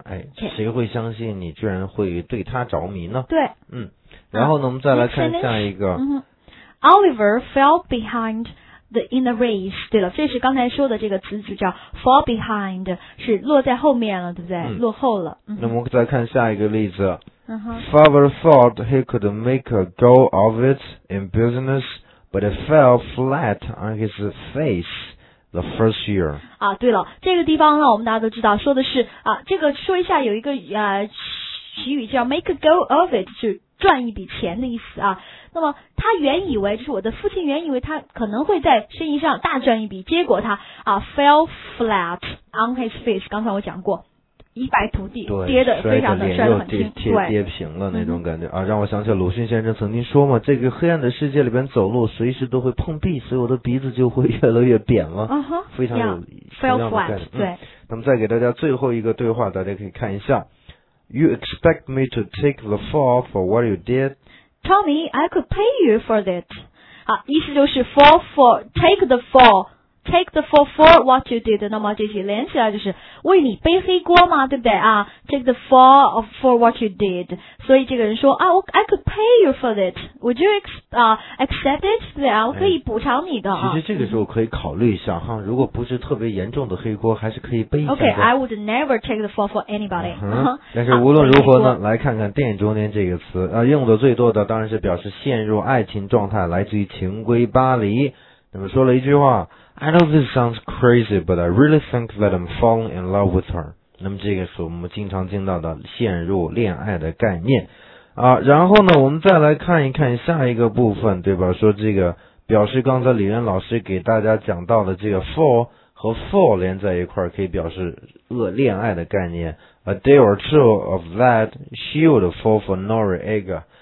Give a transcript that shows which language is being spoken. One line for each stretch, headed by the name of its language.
Chinese: 哎，谁会相信你居然会对他着迷呢？对，嗯，然后呢，我们再来看下一个、，
English: Oliver fell behind。 The in the race，
Chinese: 对了，这是刚才说的这个词组叫 fall behind， 是落在后面了，对不对？嗯、落后了。那么我们再看下一个例子。嗯、
English: Father thought he could make a go of it in business, but it fell flat on his face the first year。
Chinese: 啊，对了，这个地方呢，我们大家都知道，说的是啊，这个说一下有一个习语叫 make a go of it， 就赚一笔钱的意思啊。那么他原以为就是我的父亲原以为他可能会在生意上大赚一笔，结果他啊
English: fell flat on his face，
Chinese: 刚才我讲过一败涂地，跌得非常的摔得很轻，对，跌平了那种感觉啊，让我想起鲁迅先生曾经说嘛，这个黑暗的世界里边走路随时都会碰壁，所以我的鼻子就会越来越扁了、非常有
English: fell flat、
Chinese: 对。那么再给大家最后一个对话，大家可以看一下。
English: You expect me to take the fall for what you did? Tommy, I could pay you for that.
Chinese: 啊，意思就是
English: fall for take the fall, take the fall for what you did.
Chinese: 那么这些连起来就是为你背黑锅嘛，对不对啊 ？
English: Take the fall for what you did.
Chinese: 所以这个人说啊，我
English: I could pay you for that. Would you accept it?
Chinese: 对啊，我可以补偿你的、其实这个时候可以考虑一下哈，如果不是特别严重的黑锅，还是可以背一下。
English: Okay, I would never take the fall for anybody.、
Chinese: 但是无论如何呢，来看看电影中间这个词啊、用的最多的当然是表示陷入爱情状态，来自于《情归巴黎》。那么说了一句话
English: ，I know this sounds crazy, but I really think that I'm falling in love with her。
Chinese: 那么这个是我们经常听到的陷入恋爱的概念啊。然后呢，我们再来看一看下一个部分，对吧？说这个表示刚才李渊老师给大家讲到的这个 fall 和 fall 连在一块儿，可以表示恋爱的概念。
English: A day or two of that, she would fall for Noriega。